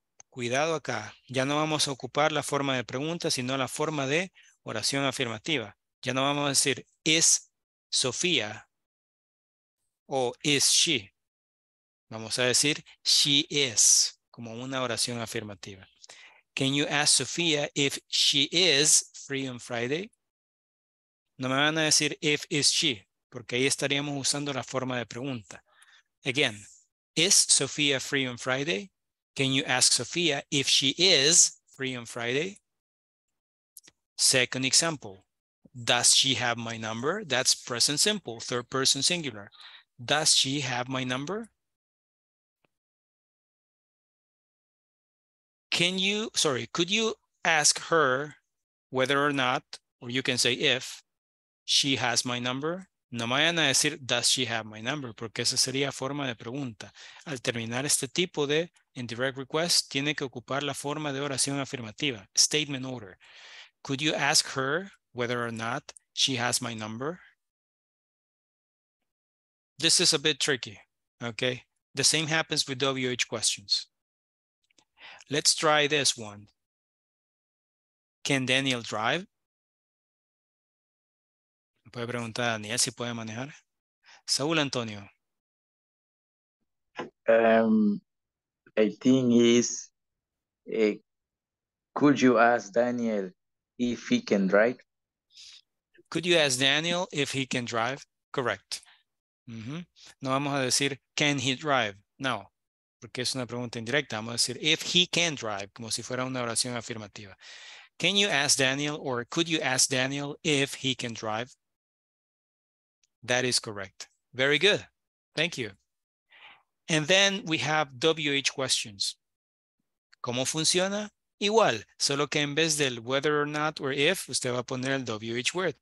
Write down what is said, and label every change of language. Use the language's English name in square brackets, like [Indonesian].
[Spanish] Cuidado acá, ya no vamos a ocupar la forma de pregunta, sino la forma de oración afirmativa. Ya no vamos a decir, ¿es Sofía o [English] is she? [Spanish] Vamos a decir, [English] she is, [Spanish] como una oración afirmativa. [English] Can you ask Sofía if she is free on Friday? [Spanish] No me van a decir [English] if is she, [Spanish] porque ahí estaríamos usando la forma de pregunta. [English] Again, ¿is Sofía free on Friday? Can you ask Sophia if she is free on Friday? Second example, does she have my number? That's present simple, third person singular. Does she have my number? Could you ask her whether or not, or you can say if she has my number? [Spanish] No me van a decir, [English] does she have my number? [Spanish] Porque esa sería forma de pregunta. Al terminar este tipo de indirect request, tiene que ocupar la forma de oración afirmativa, statement order. [English] Could you ask her whether or not she has my number? This is a bit tricky, okay? The same happens with WH questions. Let's try this one. Can Daniel drive? [Spanish] Puede preguntar a Daniel si puede manejar. Saúl Antonio. [English] I think is, could you ask Daniel if he can drive? Could you ask Daniel if he can drive? Correct. [Spanish] Mm-hmm. No vamos a decir, [English] can he drive? [Spanish] No, porque es una pregunta indirecta. Vamos a decir, [English] if he can drive, [Spanish] como si fuera una oración afirmativa. [English] Can you ask Daniel or could you ask Daniel if he can drive? That is correct. Very good. Thank you. And then we have WH questions. [Spanish] ¿Cómo funciona? Igual, solo que en vez del [English] whether or not or if, [Spanish] usted va a poner el WH word.